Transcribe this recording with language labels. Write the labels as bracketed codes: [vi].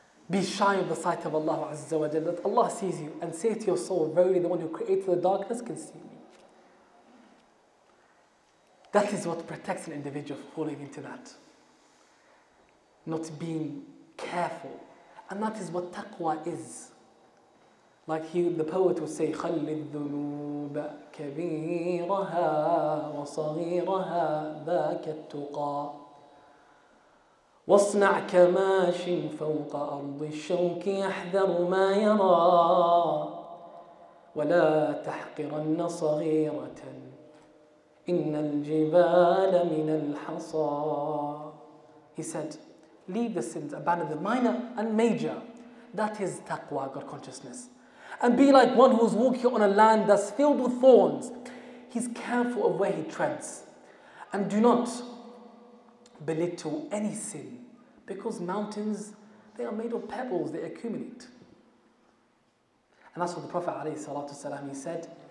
[en] Be shy of the sight of Allah Azza wa Jal, that Allah sees you, and say to your soul, verily the one who created the darkness can see you. That is what protects an individual from falling into that. Not being careful. And that is what taqwa is. Like the poet would say, [ar] خَلِّ الذُّنُوبَ كَبِيرَهَا وَصَغِيرَهَا ذَاكَ التُّقَى وَاصْنَعْ كَمَاشٍ فَوْقَ أَرْضِ الشَّوْكِ يَحْذَرُ مَا يَرَى وَلَا تَحْقِرَنَّ صَغِيرَةً إِنَّ الْجِبَالَ مِنَ الْحَصَى [en] He said, leave the sins, abandon the minor and major. That is taqwa, God consciousness. And be like one who is walking on a land that's filled with thorns. He's careful of where he treads. And do not belittle any sin. Because mountains, they are made of pebbles, they accumulate. And that's what the Prophet ﷺ, he said,